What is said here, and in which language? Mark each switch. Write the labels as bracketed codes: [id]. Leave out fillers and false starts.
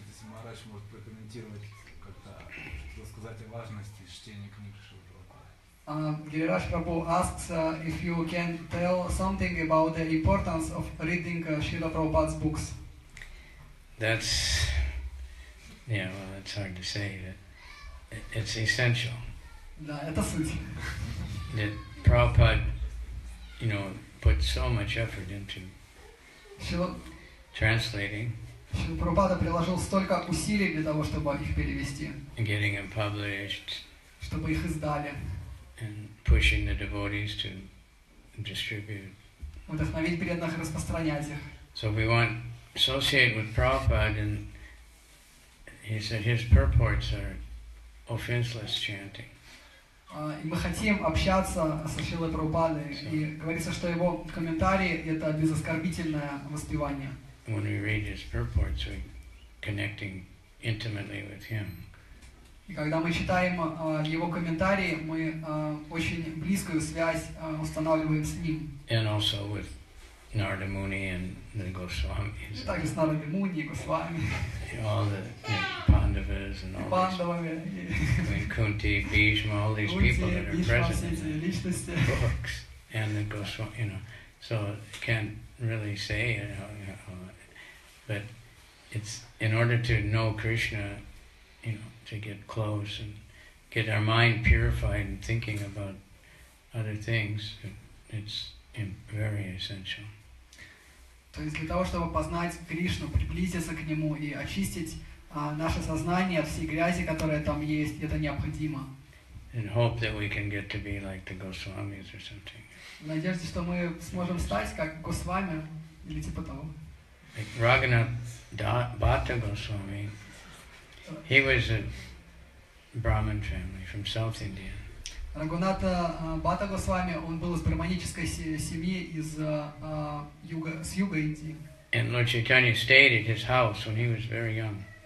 [ru] Марач может прокомментировать как-то, что сказать о важности чтения книг Шрилы Прабхупады. [en] Гирираш Прабху asks if you can tell something about the importance of reading Шрила Прабхупада's books. That's, yeah, well, that's hard to say. That it's essential. [ru] Да, это суть. [en] That Prabhupada, you know, put so much effort into translating. [ru] Шрила Прабхупада приложил столько усилий для того, чтобы их перевести. [en] Getting them published. [ru] Чтобы их издали. [en] And pushing the devotees to distribute. [ru] Вдохновить преданных распространять их. [en] So we want to associate with Prabhupada, and he said his purports are offenseless chanting. [ru] И мы хотим общаться с Шрилой Прабхупадой, и говорится, что его комментарии — это безоскорбительное воспевание. [en] When we read his purports, we're connecting intimately with him. [ru] И когда мы читаем его комментарии, мы очень близкую связь устанавливаем с ним. [en] And also with Narada Muni and the Goswamis. [ru] И также с Нарадой Муни и Госвами. [en] All the Pandavas and all these. Kunti, Bhishma, all these people that are present in the books and the Goswami, you know, so can't really say. But it's in order to know Krishna, you know, to get close and get our mind purified and thinking about other things, it's very essential. [ru] То есть для того, чтобы познать Кришну, приблизиться к Нему и очистить наше сознание от всей грязи, которая там есть, это необходимо. [en] And hope that we can get to be like the Goswamis or something. [ru] В надежде, что мы сможем стать как Госвами или типа того. [en] Like Raghunath Bhatta Goswami, he was a Brahmin family from South India. [ru] Raghunath Bhatta Goswami, он был из брахманической семьи из юга с юга Индии. [en] And Lord Chaitanya stayed at his house when he was very young.